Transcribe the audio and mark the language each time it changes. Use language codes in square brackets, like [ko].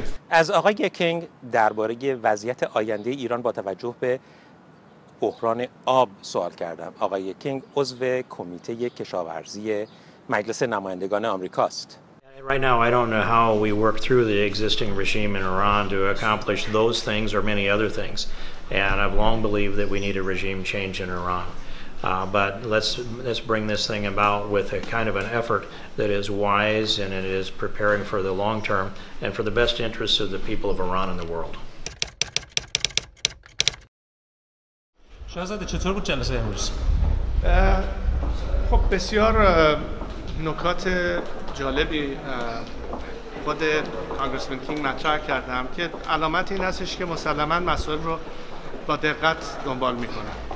[fa] از آقای کینگ درباره وضعیت آینده ایران با توجه به بحران آب سوال کردم. آقای کینگ عضو کمیته کشاورزی مجلس نمایندگان آمریکاست. [en] Right now I don't know how we work through the existing regime in Iran to accomplish those things or many other things. And I've long believed that we need a regime change in Iran. But let's bring this thing about with a kind of an effort that is wise and it is preparing for the long term and for the best interests of the people of Iran and the world. [fa] شازده، چطور بود جلسه امروز؟ خب بسیار نکات جالبی خود کانگرسمن کینگ مطرح کردم که علامت این هستش که مسلماً مسئله رو با دقت دنبال می‌کنه.